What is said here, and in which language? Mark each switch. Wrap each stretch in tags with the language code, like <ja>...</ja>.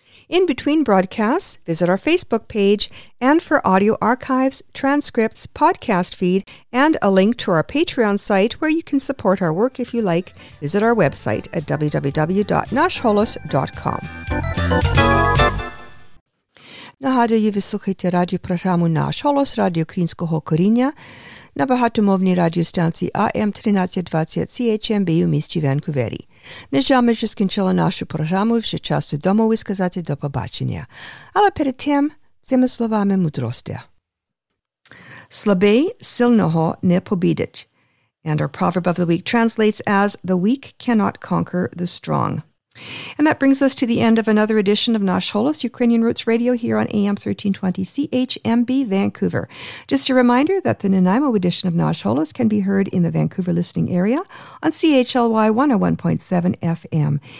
<en>In between broadcasts, visit our Facebook page, and for audio archives, transcripts, podcast feed, and a link to our Patreon site where you can support our work if you like, visit our website at www.nashholos.com.</en> <uk>Нагадую, ви слухаєте радіопрограму «Наш Голос», радіо українського коріння на багатомовній радіостанції АМ 1320 CHMB у місті Ванкувері. На жаль, ми вже скінчили нашу програму, вже час додому і сказати до побачення. Але перед тим, цими словами мудрості. Слабий сильного не побідить.</uk> <en>And our proverb of the week translates as, the weak cannot conquer the strong. And that brings us to the end of another edition of Nash Holos, Ukrainian Roots Radio, here on AM 1320 CHMB Vancouver. Just a reminder that the Nanaimo edition of Nash Holos can be heard in the Vancouver listening area on CHLY 101.7 FM.</en>